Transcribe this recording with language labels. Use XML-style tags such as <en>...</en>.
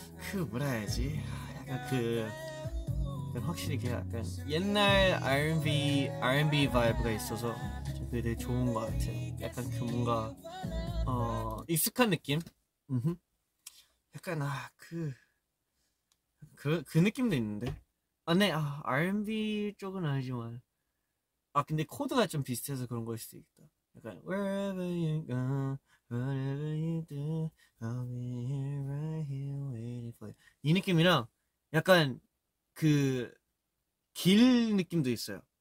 <ko>그 뭐라 해야지 약간 그 확실히 그 약간 옛날 R&B 바이브가 있어서 그게 되게 좋은 것 같아요. 약간 그 뭔가 익숙한 느낌? 약간 아 그 느낌도 있는데. 아 네, 아, R&B 쪽은 아니지만 아 근데 코드가 좀 비슷해서 그런 걸 수도 있다. 약간</ko> <en>wherever you go, whatever you do, I'll be here right here waiting for you.</en> <ko>이 느낌이랑 약간 그 길 느낌도 있어요.</ko>